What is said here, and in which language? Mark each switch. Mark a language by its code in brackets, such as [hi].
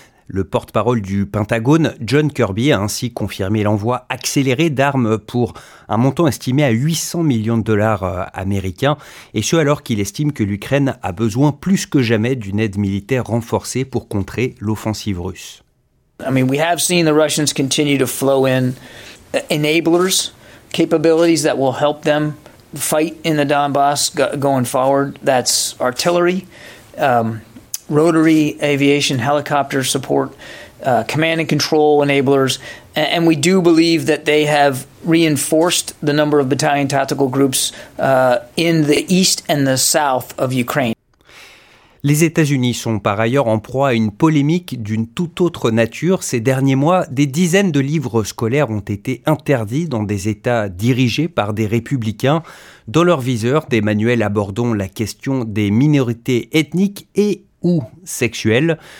[fr] Le porte-parole du Pentagone, John Kirby, a ainsi confirmé l'envoi accéléré d'armes pour un montant estimé à 800 millions de dollars américains, et ce alors qu'il estime que l'Ukraine a besoin plus que jamais d'une aide militaire renforcée pour contrer l'offensive russe. [en] I mean, we have seen the Russians continue to flow in enablers, capabilities that will help them fight in the Donbass going forward. That's artillery, rotary aviation helicopter support, command and control enablers, and we do believe that they have reinforced the number of battalion tactical groups in the east and the south of Ukraine. [fr] Les États-Unis sont par ailleurs en proie à une polémique d'une toute autre nature. Ces derniers mois, des dizaines de livres scolaires ont été interdits dans des États dirigés par des républicains. Dans leur viseur, des manuels abordant la question des minorités ethniques et ou sexuelles.